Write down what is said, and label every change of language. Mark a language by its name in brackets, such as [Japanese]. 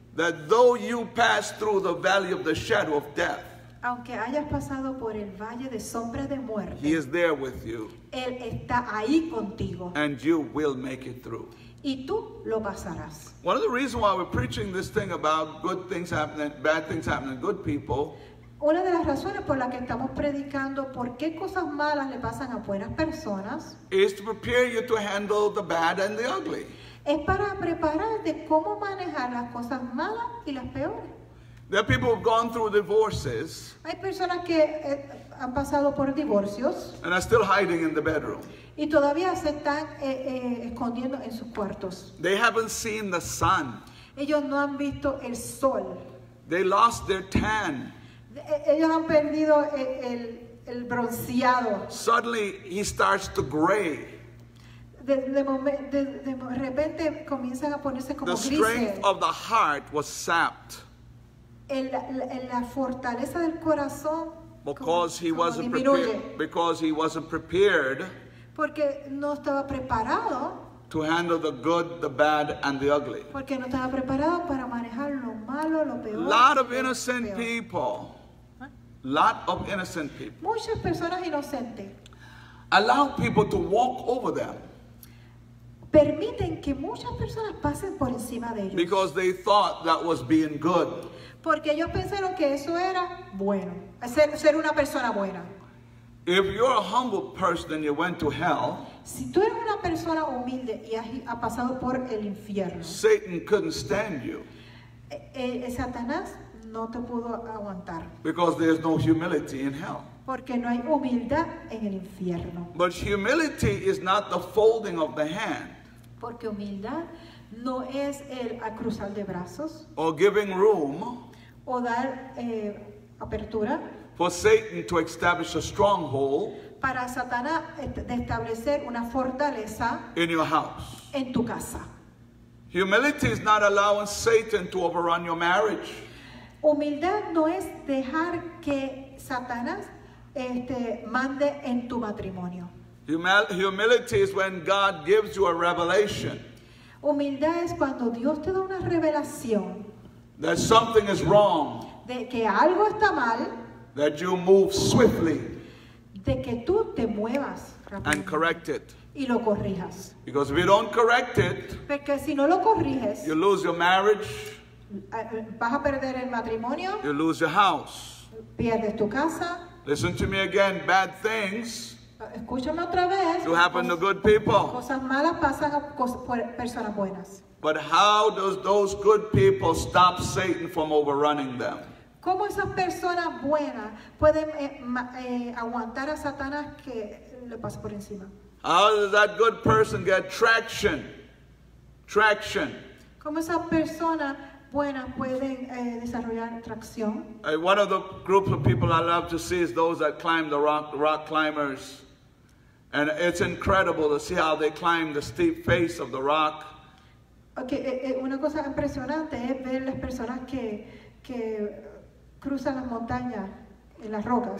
[English] That though you pass through the valley of the shadow of death. [Spanish] Aunque hayas pasado por el valle de sombra de muerte. [English] He is there with you. [Spanish] Él está ahí contigo. [English] And you will make it through. [Spanish] Y tú lo pasarás. [English] One of the reasons why we're preaching this thing about good things happening, bad things happening, good people. [Spanish] Una de las razones por las que estamos predicando por qué cosas malas le pasan a buenas personas. [English] Is to prepare you to handle the bad and the ugly. [Spanish] Es para prepararte cómo manejar las cosas malas y las peores. [English] There are people who've gone through divorces. [Spanish] Hay personas que han pasado por divorcios. [English] And are still hiding in the bedroom. [Spanish] Y todavía se están escondiendo en sus cuartos. [English] They haven't seen the sun. [Spanish] Ellos no han visto el sol. [English] They lost their tan. [Spanish] Ellos han perdido el bronceado. [English] Suddenly he starts to gray. [Spanish] De repente comienzan a ponerse como grises. [English] The strength of the heart was sapped. [Spanish] La fortaleza del corazón. [English] Because he wasn't prepared. Because he wasn't prepared. [Spanish] Porque no estaba preparado. [English] To handle the good, the bad, and the ugly. [Spanish] Porque no estaba preparado para manejar lo malo, lo peor. [English] Lot of innocent people. Lot of innocent people. [Spanish] Muchas personas inocentes. [English] Allow people to walk over them. [Spanish] Permiten que muchas personas pasen por encima de ellos. [English] Because they thought that was being good. [Spanish] Porque ellos pensaron que eso era bueno, ser una persona buena. [English] If you're a humble person and you went to hell, [Spanish] si tú eres una persona humilde y has pasado por el infierno, [English] Satan couldn't stand you. [Spanish] Satanás no te pudo aguantar. [English] Because there's no humility in hell. [Spanish] Porque no hay humildad en el infierno. [English] But humility is not the folding of the hand. [Spanish] Porque humildad no es el cruzar de brazos. [English] Or giving room. [Spanish] O dar apertura. [English] For Satan to establish a stronghold. [Spanish] Para Satanás de establecer una fortaleza. [English] In your house. [Spanish] En tu casa. [English] Humility is not allowing Satan to overrun your marriage. [Spanish] Humildad no es dejar que Satanás mande en tu matrimonio. [English] Humility is when God gives you a revelation. [Spanish] Humildad es cuando Dios te da una revelación. [English] That something is wrong. [Spanish] De que algo está mal. [English] That you move swiftly. [Spanish] De que tú te muevas rápido. [English] And correct it. [Spanish] Y lo corrijas. [English] Because if you don't correct it. [Spanish] Porque si no lo corriges. [English] You lose your marriage. [Spanish] Vas a perder el matrimonio. [English] You lose your house. [Spanish] Pierdes tu casa. [English] Listen to me again. Bad things. [Spanish] Escúchame otra vez. [English] Do happen to good people. [Spanish] Cosas malas pasan a personas buenas. [English] But how does those good people stop Satan from overrunning them? [Spanish] ¿Cómo esas personas buenas pueden aguantar a Satanás que le pase por encima? [English] How does that good person get traction? Traction. [Spanish] ¿Cómo esas personas buenas pueden desarrollar tracción? [English] One of the groups of people I love to see is those that climb the rock climbers. And it's incredible to see how they climb the steep face of the rock. [Spanish] Okay, una cosa impresionante es ver las personas que cruzan las montañas en las rocas.